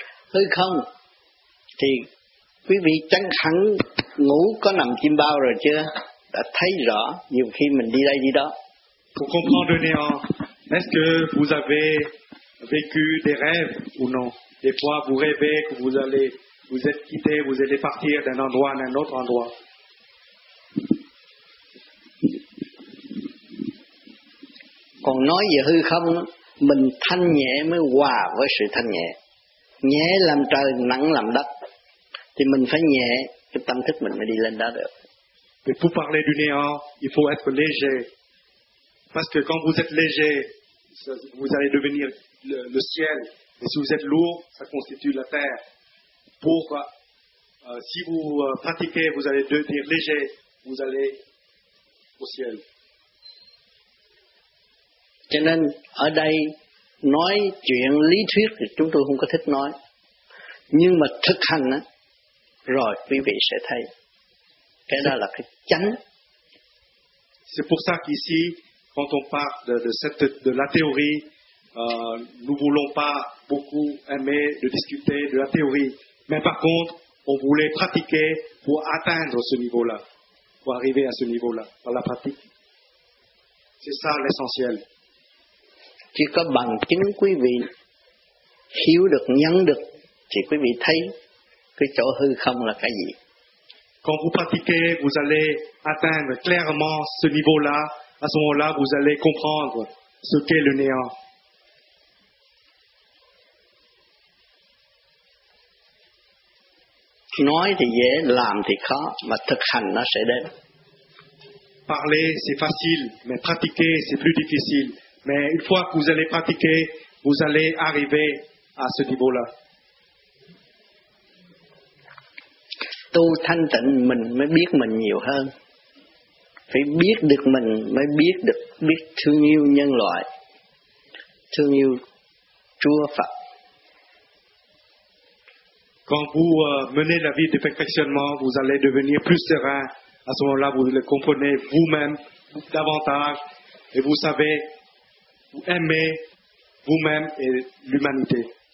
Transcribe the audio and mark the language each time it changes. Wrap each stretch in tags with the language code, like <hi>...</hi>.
<vi>Hư không thì quý vị chắc hẳn ngủ có nằm chiêm bao rồi chưa? Đã thấy rõ nhiều khi mình đi đây đi đó.</vi> <fr>Pour comprendre le néant, est-ce que vous avez vécu des rêves ou non? Des fois, vous rêvez que vous allez partir d'un endroit à un autre endroit.</fr> <vi>Còn nói về hư không, mình thanh nhẹ mới hòa với sự thanh nhẹ. Nhẹ làm trời, nặng làm đất. Thì mình phải nhẹ, cái tâm thức mình mới đi lên đó được.</vi> <fr>Mais pour parler du néant, il faut être léger. Parce que quand vous êtes léger, vous allez devenir le ciel. Et si vous êtes lourd, ça constitue la terre. Pourquoi? Si vous pratiquez, vous allez devenir léger, vous allez au ciel.</fr> <vi>Cho nên, ở đây, nói chuyện lý thuyết thì chúng tôi không có thích nói. Nhưng mà thực hành, rồi quý vị sẽ thấy. Cái đó là cái chánh.</vi> <fr>C'est pour ça qu'ici, quand on parle de la théorie, nous voulons pas beaucoup aimer de discuter de la théorie, mais par contre, on voulait pratiquer pour atteindre ce niveau-là, pour arriver à ce niveau-là, par la pratique. C'est ça l'essentiel.</fr> <vi>Chỉ có bằng chính quý vị hiểu được, nhận được, thì quý vị thấy cái chỗ hư không là cái gì.</vi> <fr>Quand vous pratiquez, vous allez atteindre clairement ce niveau-là. À ce moment-là, vous allez comprendre ce qu'est le néant.</fr> <vi>Nói thì dễ, làm thì khó, mà thực hành nó sẽ đến.</vi> <fr>Parler, c'est facile, mais pratiquer, c'est plus difficile. Mais une fois que vous allez pratiquer, vous allez arriver à ce niveau-là.</fr> <vi>Tu thanh tịnh, mình mới biết mình nhiều hơn. phải biết được mình mới biết được, biết thương yêu nhân loại, thương yêu Chúa Phật.</vi> <fr>Quand vous menez la vie de perfectionnement, vous allez devenir plus serein. À ce moment-là, vous le comprenez vous-même davantage et vous savez vous aimer vous-même et l'humanité.</fr>